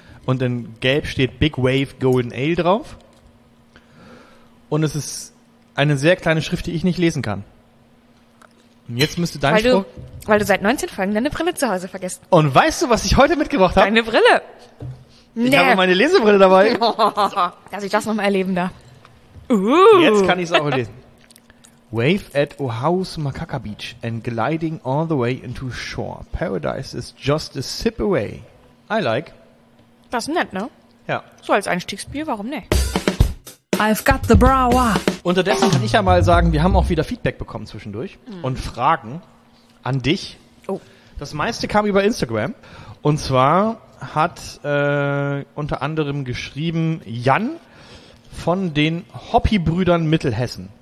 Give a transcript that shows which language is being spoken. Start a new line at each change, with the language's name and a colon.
German: Und in gelb steht Big Wave Golden Ale drauf. Und es ist eine sehr kleine Schrift, die ich nicht lesen kann. Und jetzt müsste dein Spruch... Weil du seit 19 Folgen deine Brille zu Hause vergisst. Und weißt du, was ich heute mitgebracht habe? Deine Brille! Ich habe meine Lesebrille dabei. Dass ich das nochmal erleben darf. Jetzt kann ich es auch lesen.
English: Wave at Oahu's Makaka Beach and gliding all the way into shore. Paradise is just a sip away. I like.
German: Das ist nett, ne? Ja. So als Einstiegsbier, warum nicht?
English: I've got the bra.
German: Unterdessen kann ich ja mal sagen, wir haben auch wieder Feedback bekommen zwischendurch. Mhm. Und Fragen an dich. Oh. Das meiste kam über Instagram. Und zwar hat unter anderem geschrieben Jan von den Hobbybrüdern Mittelhessen.